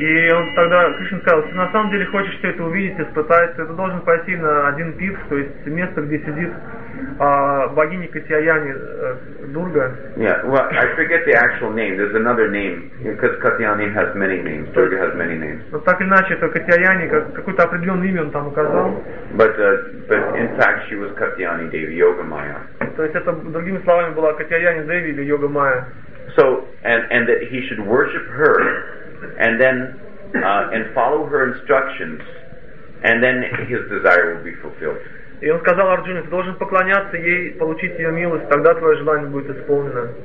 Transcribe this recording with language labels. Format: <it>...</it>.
<ru>И он тогда Кришна сказал, если на самом деле хочешь все это увидеть, испытать, то ты должен пойти на один пит, то есть место, где сидит богиня Катьяяни, Дурга.</ru> <en>Yeah, well, I forget the actual name. There's another name because Катьяяни has many names. Durga has many names.</en> <ru>Но так или иначе, то Катьяяни какое-то определенное имя он там указал.</ru> <en>But in fact, she was Катьяяни Деви, Йога Майя.</en> <ru>То есть это другими словами была Катьяяни Деви или Йога Майя.</ru> <en>So and that he should worship her, and then and follow her instructions, and then his desire will be fulfilled.</en> <ru>И он сказал Арджуне, ты должен поклоняться ей, получить ее милость, тогда твое желание будет исполнено.</ru>